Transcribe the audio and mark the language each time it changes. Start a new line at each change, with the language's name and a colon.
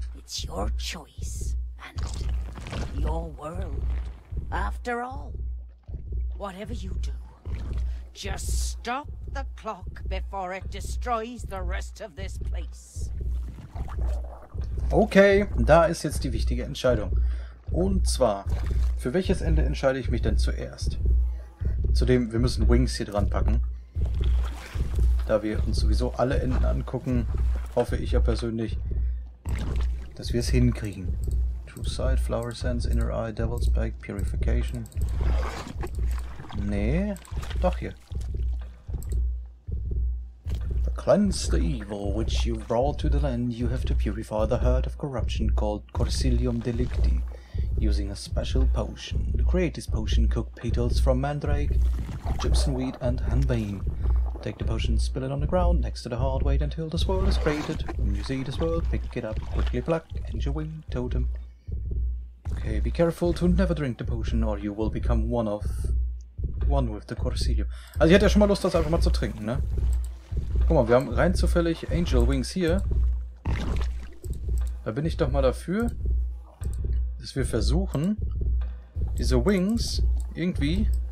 English: It's your choice, and your world, after all. Whatever you do, just stop the clock before it destroys the rest of this place.
German: Okay, da ist jetzt die wichtige Entscheidung. Und zwar, für welches Ende entscheide ich mich denn zuerst? Zudem, wir müssen Wings hier dran packen. Da wir uns sowieso alle Enden angucken, hoffe ich ja persönlich, dass wir es hinkriegen.
English: True Sight, Flower Sense, Inner Eye, Devil's Back, Purification.
German: Nee, doch hier.
English: To cleanse the evil which you brought to the land, you have to purify the heart of corruption called Corsilium Delicti, using a special potion. To create this potion, cook petals from mandrake, gypsum weed and henbane. Take the potion, spill it on the ground next to the heart, wait until the swirl is created. When you see the swirl, pick it up, quickly pluck, and your wing totem. Okay, be careful to never drink the potion, or you will become one of... one with the Corsilium.
German: Also ich hätte ja schon mal Lust, das einfach mal zu trinken, ne? Guck mal, wir haben rein zufällig Angel Wings hier. Da bin ich doch mal dafür, dass wir versuchen, diese Wings irgendwie...